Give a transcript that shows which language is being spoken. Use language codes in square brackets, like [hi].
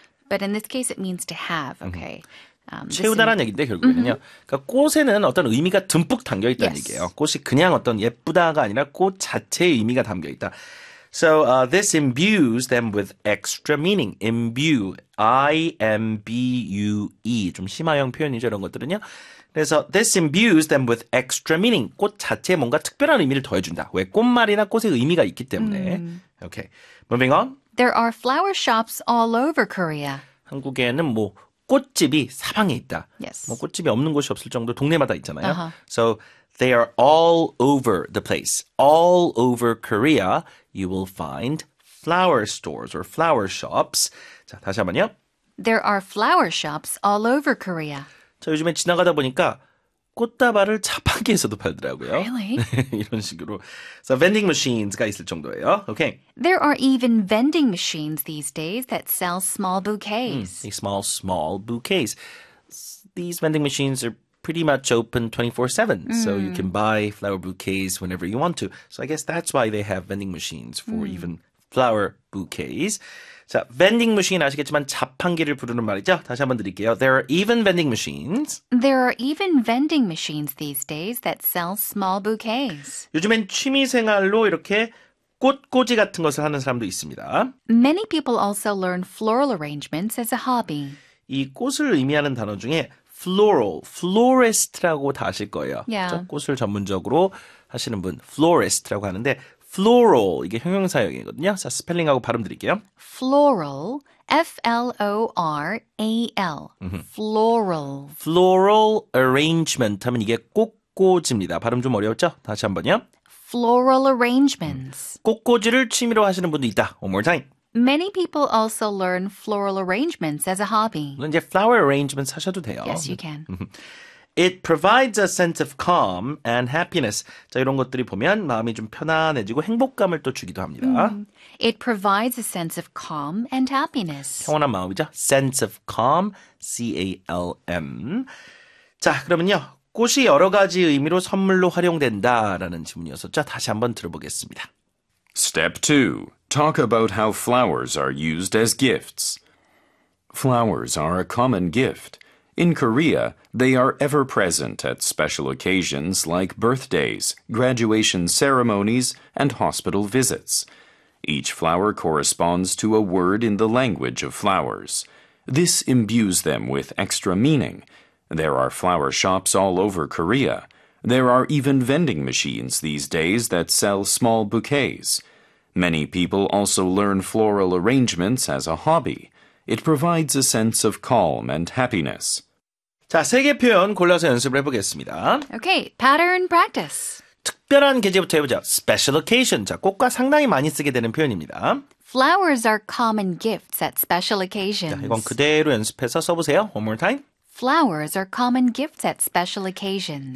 [en] But in this case, it means to have, okay? [ko] 채우다라는 얘기인데, 결국에는요. 그러니까 꽃에는 어떤 의미가 듬뿍 담겨 있다는 [en] yes. [ko] 얘기예요. 꽃이 그냥 어떤 예쁘다가 아니라 꽃 자체의 의미가 담겨 있다. [en] So this imbues them with extra meaning. Imbue, I-M-B-U-E. [ko] 좀 심화형 표현이죠, 이런 것들은요. [en] 그래서 this imbues them with extra meaning. [ko] 꽃 자체에 뭔가 특별한 의미를 더해준다. 왜? 꽃말이나 꽃의 의미가 있기 때문에. [en] Okay, moving on. There are flower shops all over Korea. [ko] 한국에는 뭐 꽃집이 사방에 있다. [en] Yes. [ko] 뭐 꽃집이 없는 곳이 없을 정도 동네마다 있잖아요. [en] Uh-huh. So they are all over the place. All over Korea, you will find flower stores or flower shops. [ko] 자, 다시 한번요. [en] There are flower shops all over Korea. [ko] 자, 요즘에 지나가다 보니까 꽃다발을 자판기에서도 팔더라고요. [en] Really? [ko] 이런 식으로. So vending machines가 있을 정도예요. Okay. [en] There are even vending machines these days that sell small bouquets. Small bouquets. These vending machines are pretty much open 24/7. So you can buy flower bouquets whenever you want to. So I guess that's why they have vending machines for even flower bouquets. [ko] 자, vending machine 아시겠지만 자판기를 부르는 말이죠. 다시 한번 드릴게요. [en] There are even vending machines. There are even vending machines these days that sell small bouquets. [ko] 요즘엔 취미 생활로 이렇게 꽃꽂이 같은 것을 하는 사람도 있습니다. [en] Many people also learn floral arrangements as a hobby. [ko] 이 꽃을 의미하는 단어 중에 floral, florist라고 다 아실 거예요. Yeah. 그렇죠? 꽃을 전문적으로 하시는 분, florist라고 하는데 Floral, 이게 형용사형이거든요. 자, 스펠링하고 발음 드릴게요. [en] Floral, F-L-O-R-A-L, floral. [ko] Floral arrangement 하면 이게 꽃꽂이입니다. 발음 좀 어려웠죠? 다시 한 번요. [en] Floral arrangements. [ko] 꽃꽂이를 취미로 하시는 분도 있다. [en] One more time. Many people also learn floral arrangements as a hobby. [ko] 물론 이제 flower arrangements 하셔도 돼요. [en] Yes, you can. It provides a sense of calm and happiness. [ko] 자, 이런 것들이 보면 마음이 좀 편안해지고 행복감을 또 주기도 합니다. [en] It provides a sense of calm and happiness. [ko] 평온한 마음이죠. Sense of calm, C-A-L-M. 자, 그러면요. 꽃이 여러 가지 의미로 선물로 활용된다라는 질문이었었죠. 다시 한번 들어보겠습니다. [en] Step 2. Talk about how flowers are used as gifts. Flowers are a common gift. In Korea, they are ever-present at special occasions like birthdays, graduation ceremonies, and hospital visits. Each flower corresponds to a word in the language of flowers. This imbues them with extra meaning. There are flower shops all over Korea. There are even vending machines these days that sell small bouquets. Many people also learn floral arrangements as a hobby. It provides a sense of calm and happiness. [ko] 자, 세 개 표현 골라서 연습을 해보겠습니다. [en] Okay, pattern practice. [ko] 특별한 계제부터 해보자. [en] Special occasion. [ko] 자, 꽃과 상당히 많이 쓰게 되는 표현입니다. [en] Flowers are common gifts at special occasions. [ko] 자, 이건 그대로 연습해서 써보세요. [en] One more time. Flowers are common gifts at special occasions.